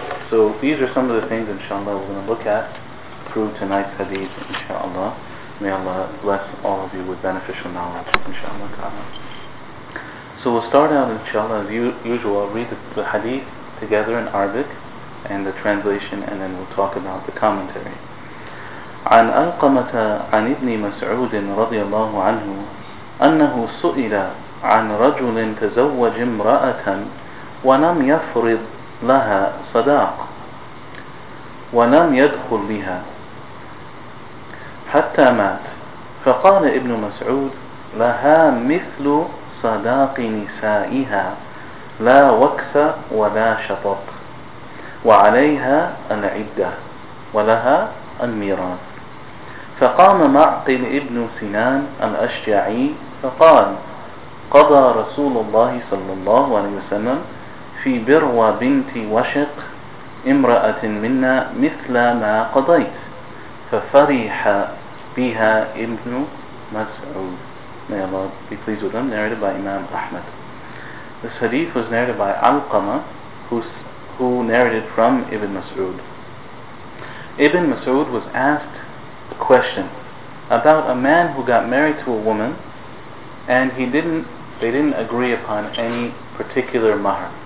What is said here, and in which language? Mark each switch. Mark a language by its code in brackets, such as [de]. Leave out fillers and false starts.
[en] So these are some of the things, inshallah, we're going to look at through tonight's hadith, inshallah. May Allah bless all of you with beneficial knowledge, inshallah ta'ala. So we'll start out, inshallah, as usual. I'll read the hadith together in Arabic and the translation, and then we'll talk about the commentary. [ar] عن ألقمة عن ابن مسعود رضي الله عنه أنه سئل عن رجل تزوج امرأة ولم يفرض لها صداق ولم يدخل بها حتى مات، فقال ابن مسعود لها مثل صداق نسائها لا وكس ولا شطط، وعليها العدة ولها الميراث. فقام معقل ابن سنان الأشجعي فقال قضى رسول الله صلى الله عليه وسلم في بروى بنت وشق امرأة منا مثل ما قضيت، ففرح بها ابن مسعود. [en] May Allah be pleased with them. Narrated by Imam Ahmad. This hadith was narrated by Alqama, who narrated from Ibn Mas'ud. Ibn Mas'ud was asked a question about a man who got married to a woman, and they didn't agree upon any particular mahr.